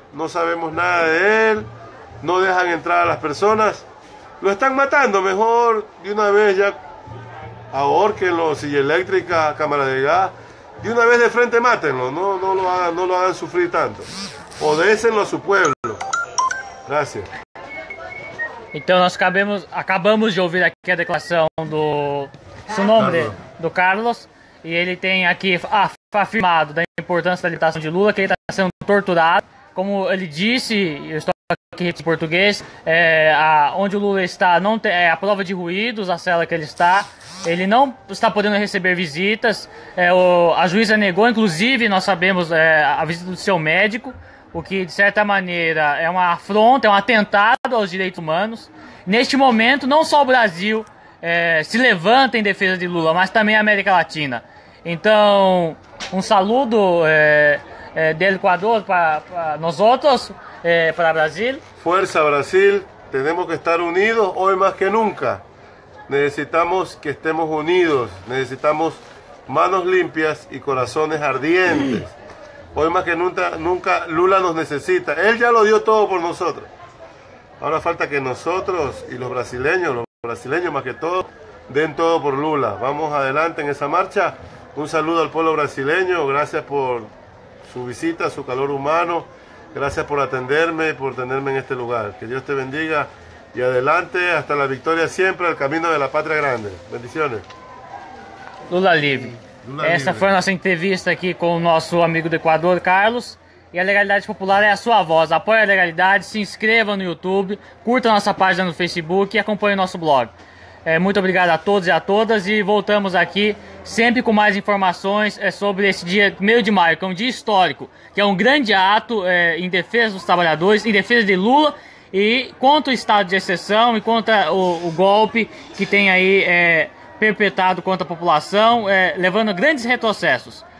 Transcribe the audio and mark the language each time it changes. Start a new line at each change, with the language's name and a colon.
Spanish: No sabemos nada de él, no dejan entrar a las personas. Lo están matando, mejor de una vez ya ahórquenlo, silla eléctrica, cámara de gas. De una vez de frente mátenlo, no lo hagan sufrir tanto. O désenlo a su pueblo. Gracias.
Portuguese: Então nós acabamos de ouvir aqui a declaração do seu nome, do Carlos, e ele tem aqui afirmado da importância da libertação de Lula, que ele está sendo torturado. Como ele disse, eu estou aqui em português, onde o Lula está não tem, a prova de ruídos, a cela que ele está, ele não está podendo receber visitas, a juíza negou, inclusive, nós sabemos, a visita do seu médico, o que, de certa maneira, é uma afronta, é um atentado aos direitos humanos. Neste momento, não só o Brasil se levanta em defesa de Lula, mas também a América Latina. Então, um
Spanish: saludo
Portuguese: do Equador para nós, para o Brasil. Força, Brasil! Temos que estar unidos, hoje mais que nunca. Necessitamos que estemos unidos. Necessitamos
Spanish: manos limpias
Portuguese: e corações
Spanish: ardientes. Sí. Hoy más que nunca Lula nos necesita. Él ya lo dio todo por nosotros. Ahora falta que nosotros y los brasileños más que todo, den todo por Lula. Vamos adelante en esa marcha. Un saludo al pueblo brasileño. Gracias por su visita, su calor humano. Gracias por atenderme y por tenerme en este lugar. Que Dios te bendiga y adelante hasta la victoria siempre, al camino de la patria grande. Bendiciones.
Portuguese: Lula livre. Essa foi a nossa entrevista aqui com o nosso amigo do Equador, Carlos. E a Legalidade Popular é a sua voz. Apoie a legalidade, se inscreva no YouTube, curta nossa página no Facebook e acompanhe o nosso blog. Muito obrigado a todos e a todas e voltamos aqui sempre com mais informações sobre esse dia, meio de maio, que é um dia histórico, que é um grande ato em defesa dos trabalhadores, em defesa de Lula e contra o estado de exceção e contra o golpe que tem aí perpetrado contra a população, levando a grandes retrocessos.